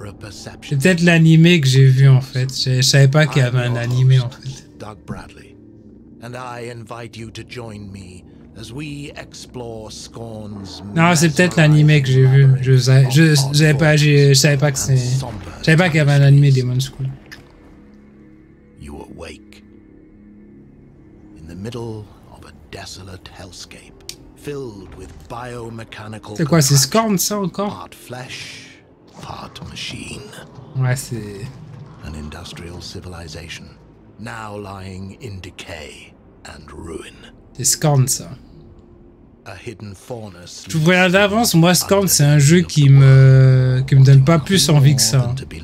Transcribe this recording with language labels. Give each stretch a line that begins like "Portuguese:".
French: C'est peut-être l'animé que j'ai vu, en fait. Je savais pas qu'il y avait un animé, en fait.
English: Doug Bradley, and I invite you to join me as we explore Scorn's...
French: Non, c'est peut-être l'animé que j'ai vu. Je savais pas qu'il y avait un animé Demon's School.
English: You awake in the middle of a desolate hellscape. Filled with biomechanical.
French: C'est quoi, c'est Scorn, ça encore?
English: Part flesh, part machine.
French: Ouais, c'est.
English: An industrial civilization, now lying in decay and ruin.
French: C'est Scorn, ça.
English: A hidden fauna.
French: Je vous préviens d'avance, moi, Scorn, c'est un jeu qui me donne pas plus envie que ça.